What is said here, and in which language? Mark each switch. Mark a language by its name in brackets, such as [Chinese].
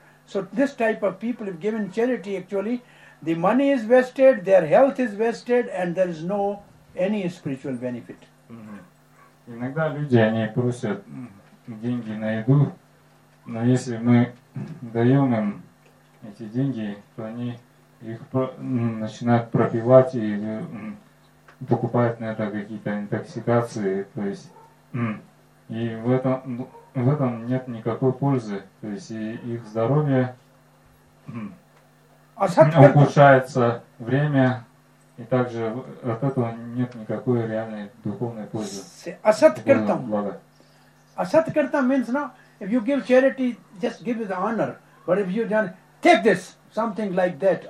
[English] So this type of people, if given charity, actually the money is wasted, their health is wasted, and there is no any spiritual benefit. Mm-hmm. [Russian] Иногда люди они просят деньги на еду, но если мы даем им эти деньги, то они их начинают пропивать и покупают на это какие-то интоксикации, то есть и в этом нет никакой пользы, то есть и их здоровье ухудшается, время, и также от этого нет никакой реальной духовной пользы. [Sanskrit] Асаткартам. [English] Асаткартам means now if you give charity, just give the honor, but if you don't take this, something like that.